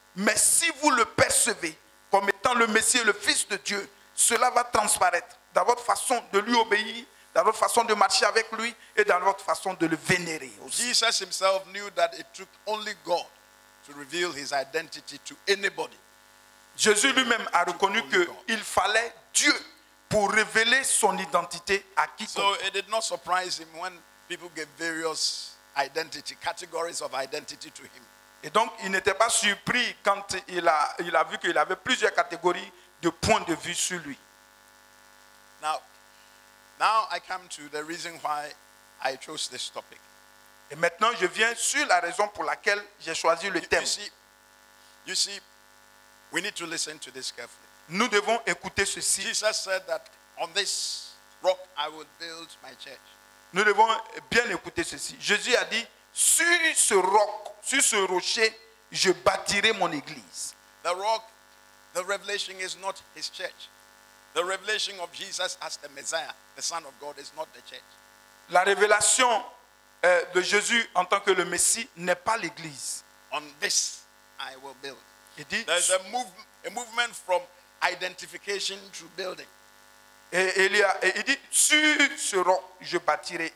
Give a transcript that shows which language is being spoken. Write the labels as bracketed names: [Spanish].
[French] Mais si vous le percevez comme étant le Messie, le Fils de Dieu, cela va transparaître dans votre façon de lui obéir, dans votre façon de marcher avec lui et dans votre façon de le vénérer aussi. [English] Jesus himself knew that it took only God to reveal his identity to anybody. [French] Jésus lui-même a reconnu qu'il fallait Dieu pour révéler son identité à quiconque. [English] So it did not surprise him when people gave various identity, categories of identity to him. [French] Et donc, il n'était pas surpris quand il a vu qu'il avait plusieurs catégories de points de vue sur lui. [English] Now I come to the reason why I chose this topic. [French] Et maintenant, je viens sur la raison pour laquelle j'ai choisi le thème. [English] You see, we need to listen to this carefully. [French] Nous devons écouter ceci. [English] Jesus said that on this rock I will build my church. [French] Nous devons bien écouter ceci. Jésus a dit, sur ce roc, sur ce rocher, je bâtirai mon église. [English] The rock, the revelation is not his church. The revelation of Jesus as the Messiah, the Son of God, is not the church. [French] La révélation de Jésus en tant que le Messie n'est pas l'église. [English] On this I will build. [French] Il dit, [English] there's a movement from identification to building. [French] Et il dit, sur ce roc, je bâtirai.